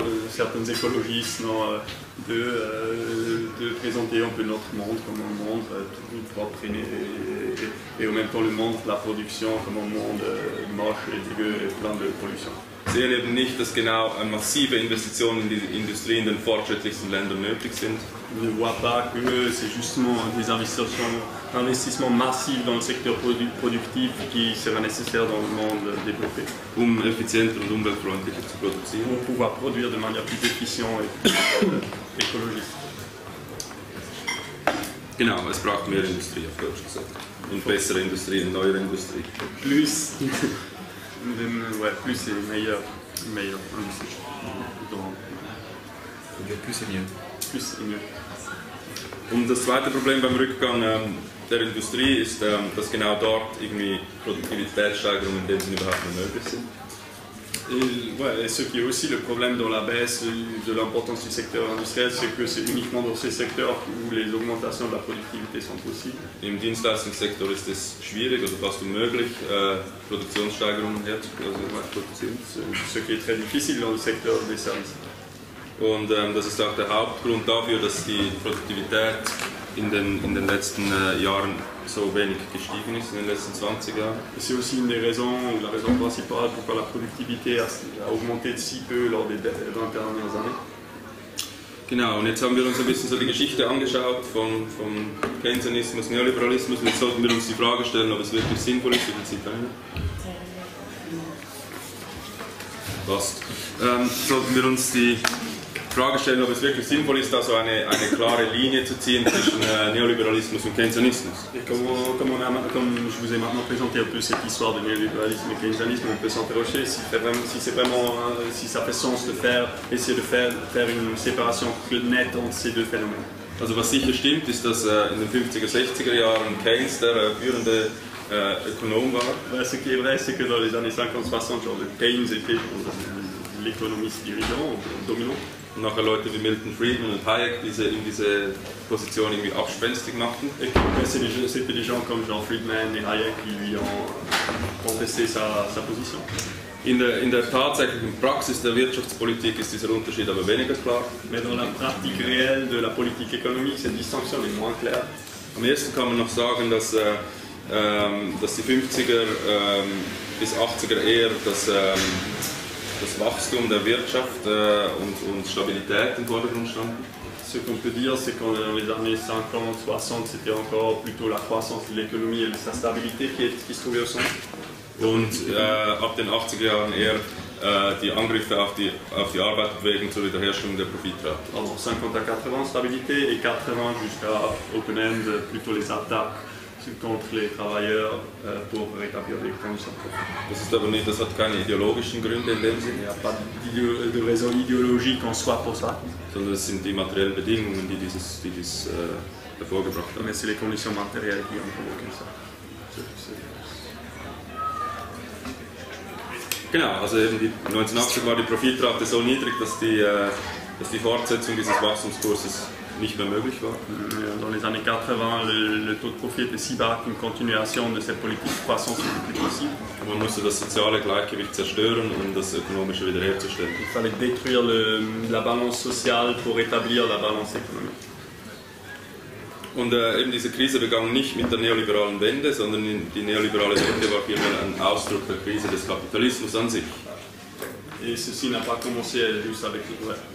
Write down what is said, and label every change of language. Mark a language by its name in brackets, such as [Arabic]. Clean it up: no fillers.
[French] Certains écologistes de présenter un peu notre monde comme un monde tout propre et en même temps le monde de la production comme un monde moche et dégueu et plein de pollution. [German] Sie sehen eben nicht, dass genau eine massive Investitionen in die Industrie in den fortschrittlichsten Ländern nötig sind. [French] Ne voit pas que c'est justement des investissements massifs dans le secteur productif qui sera nécessaire dans le monde développé. [German] Um effizienter und umweltfreundlicher zu produzieren. [French] Pour pouvoir produire de manière plus efficiente et écologique. [German] Genau, es braucht mehr Industrie auf Deutsch gesagt. Und bessere Industrie, neuere Industrie. [French] Plus. Plus c'est meilleur industrie. Donc, plus c'est mieux. Plus c'est mieux. [German] Und das zweite Problem beim Rückgang der Industrie ist, dass genau dort irgendwie Produktivitätssteigerungen in dem Sinne überhaupt nicht möglich sind. [French] Et ce qui est aussi le problème dans la baisse de l'importance du secteur industriel, c'est que c'est uniquement dans ces secteurs où les augmentations de la productivité sont possibles. [German] Im Dienstleistungssektor ist es schwierig oder fast unmöglich, Produktionssteigerungen herzustellen. [French] Ce qui est très difficile dans le secteur des services. [German] Und das ist auch der Hauptgrund dafür, dass die Produktivität in den letzten Jahren so wenig gestiegen ist, in den letzten 20 Jahren. [French] C'est aussi une des raisons, la raison principale, pourquoi la productivité a augmenté de si peu lors des 20 dernières années. [German] Genau, und jetzt haben wir uns ein bisschen so die Geschichte angeschaut vom Keynesianismus, Neoliberalismus, und jetzt sollten wir uns die Frage stellen, ob es wirklich sinnvoll ist, oder sie passt. Sollten wir uns die Frage stellen, ob es wirklich sinnvoll ist, da so eine klare Linie zu ziehen zwischen Neoliberalismus und Keynesianismus. [French] Comme je vous ai maintenant présenté un peu cette histoire de néolibéralisme et keynesianisme, on peut s'interroger si ça fait sens de faire une séparation nette entre ces deux phénomènes. [German] Also was sicher stimmt, ist, dass in den 50er, 60er Jahren Keynes der führende Ökonom war. [French] Ce qui est vrai, c'est que dans les années 50-60, genre Keynes était l'économiste dirigeant, dominant. [German] Und nachher Leute wie Milton Friedman und Hayek diese Position irgendwie abspenstig machten. [French] C'était des gens comme Jean Friedman et Hayek qui lui ont contesté sa position. [German] In der tatsächlichen Praxis der Wirtschaftspolitik ist dieser Unterschied aber weniger klar. [French] Mais dans la pratique réelle de la politique économique, cette distinction est moins claire. [German] Am ehesten kann man noch sagen, dass die 50er bis 80er eher das Wachstum der Wirtschaft und Stabilität im Vordergrund standen. [French] Ce qu'on peut dire, c'est qu'en les années 50, 60, c'était encore plutôt la croissance de l'économie et de sa stabilité qui se trouvait au centre. [German] Und ab den 80er Jahren eher die Angriffe auf die Arbeit wegen zur Wiederherstellung der Profitrate. Also 50-80 Stabilität und 80 [French] jusqu'à Open End, plutôt les attaques contre les travailleurs pour rétablir les conditions. [German] Das ist aber nicht, das hat keine ideologischen Gründe in dem Sinne. [French] Il n'y a pas de raison idéologique en soi pour ça. [German] Sondern es sind die materiellen Bedingungen, die dieses, die dieses hervorgebracht haben. [French] Mais c'est les conditions matérielles qui ont provoqué ça. [German] Genau, also eben die 1980 war die Profitrate so niedrig, dass die Fortsetzung dieses Wachstumskurses nicht mehr möglich war. [French] Dans les années 80, le taux de profit était si bas qu'une continuation de cette politique de croissance était impossible. [German] Man musste das soziale Gleichgewicht zerstören, um das ökonomische wiederherzustellen. [French] Il fallait détruire la balance sociale pour rétablir la balance économique. [German] Und eben diese Krise begann nicht mit der neoliberalen Wende, sondern die neoliberale Wende war vielmehr ein Ausdruck der Krise des Kapitalismus an sich. [French] Et ceci n'a pas commencé juste avec le ouais.